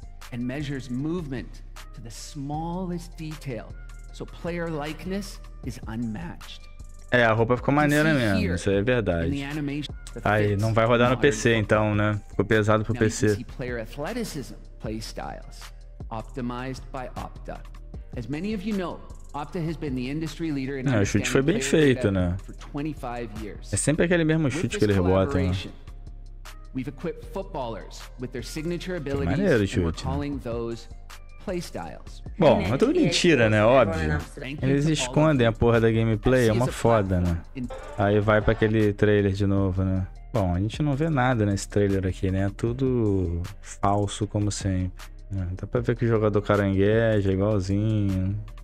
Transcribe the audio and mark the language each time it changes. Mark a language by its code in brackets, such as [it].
[en] And measures movement to the smallest detail. So player likeness is unmatched. [pt] É, a roupa ficou maneira mesmo, isso aí é verdade. Aí, não vai rodar no PC então, né? Ficou pesado pro PC. [en] Player athleticism, play styles optimized by Opta. As many of you know, Opta has been the industry leader in the [pt] chute foi bem feito, né? É sempre aquele mesmo chute que eles botam, né? [en] We've equipped footballers with their signature abilities and we're calling those play styles. [pt] Bom, é tudo mentira, né? Óbvio. Eles escondem a porra da gameplay, é uma foda, né? Aí vai pra aquele trailer de novo, né? Bom, a gente não vê nada nesse trailer aqui, né? É tudo falso, como sempre. Dá pra ver que o jogador carangueja, igualzinho.